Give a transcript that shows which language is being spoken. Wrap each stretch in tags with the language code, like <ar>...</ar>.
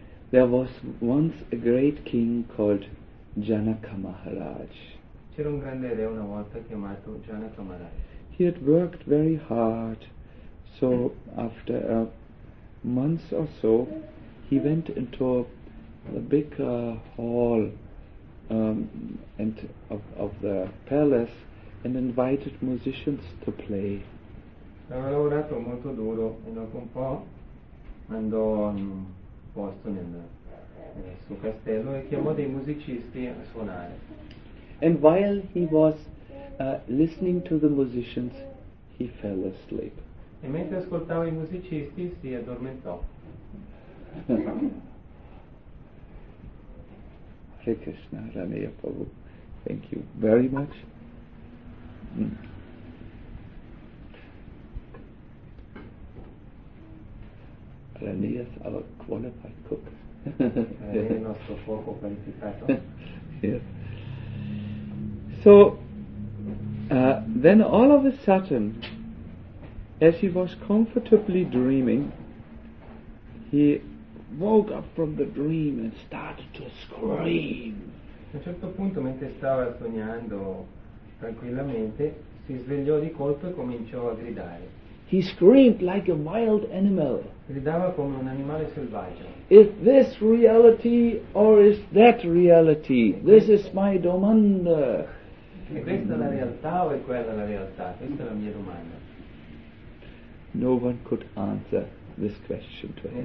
<en>There was once a great king called Janaka Maharaj.</en> <it>C'era un grande re una volta chiamato Janaka Maharaj.</it> <en>He had worked very hard, so after a month or so, he went into a big hall and of the palace and invited musicians to play.</en> <it>Aveva lavorato molto duro e dopo un po' andò in un posto nel suo castello e chiamò dei musicisti a suonare.</it> <en>And while he was listening to the musicians, he fell asleep.</en> <it>E mentre ascoltava i musicisti, si addormentò.</it> <en>Hare Krishna, Ramaya Prabhu. Thank you very much. Ramaya is our qualified cook. Yes. So, then all of a sudden, as he was comfortably dreaming, he woke up from the dream and started to scream.</en> <it>A un certo punto, mentre stava sognando tranquillamente, si svegliò di colpo e cominciò a gridare.</it> <en>He screamed like a wild animal.</en> <it>Gridava come un animale selvaggio.</it> <en>Is this reality or is that reality? This is my domanda.</en> <it>E questa è la realtà o è quella la realtà? Questa è la mia domanda.</it> <en>No one could answer this question to him.</en>